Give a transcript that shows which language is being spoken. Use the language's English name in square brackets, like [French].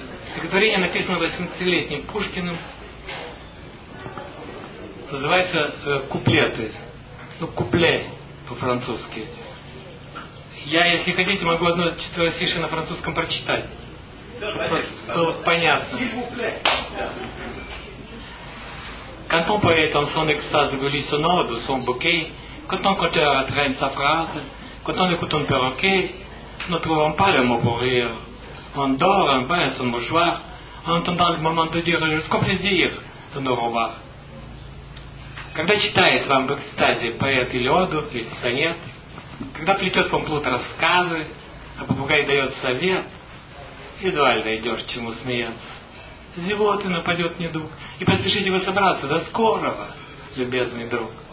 [Russian] Стихотворение написано 18-летним Пушкиным. Называется «Куплеты». Ну, «купле» по-французски. Я, если хотите, могу одно четвертое стиши на французском прочитать. [French] Quand ton poète en son extase glisse sonore de son bouquet, quand ton conteur traîne sa phrase, quand on écoute un perroquet, ne trouvant pas le mot pour rire, on dort un peu à son mouchoir, en entendant le moment de dire jusqu'au plaisir de nous revoir. [Russian] Когда читает вам в экстазе поэт или оду, или сонет, когда плетет вам плут рассказы, а попугай дает совет, едва ли найдешь чему смеяться. Зевоты нападет недуг, и поспешите вы собраться до скорого, любезный друг.